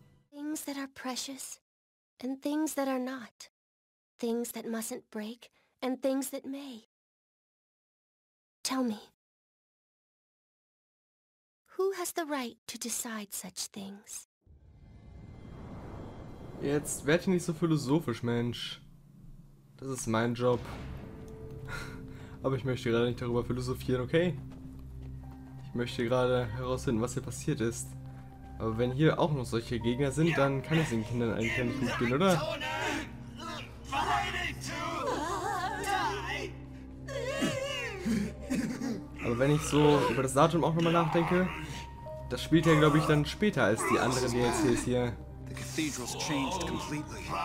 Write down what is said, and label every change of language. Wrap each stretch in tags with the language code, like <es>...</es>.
<en>Things that are precious and things that are not. Things that mustn't break and things that may. Tell me. Who has the right to decide such things?</en> <de>Jetzt werde ich nicht so philosophisch, Mensch. Das ist mein Job. Aber ich möchte gerade nicht darüber philosophieren, okay? Ich möchte gerade herausfinden, was hier passiert ist. Aber wenn hier auch noch solche Gegner sind, dann kann es den Kindern eigentlich ja nicht gut gehen, oder? Aber wenn ich so über das Datum auch nochmal nachdenke, das spielt ja, glaube ich, dann später als die anderen DLCs hier.</de> <en>The cathedral's changed completely.</en>